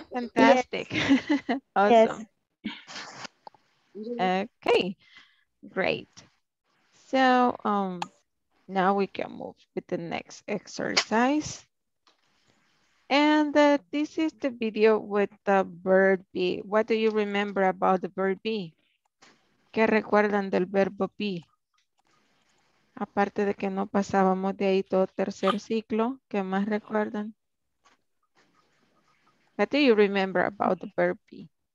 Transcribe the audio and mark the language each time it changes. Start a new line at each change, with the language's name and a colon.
English: Fantastic. Yes. Awesome. Okay, great. So now we can move with the next exercise. And this is the video with the verb be. What do you remember about the verb be?
Spanish: ¿Qué recuerdan del verbo be? Aparte de que no pasábamos de ahí todo tercer ciclo, ¿qué más recuerdan?
English: What do you remember about the verb be?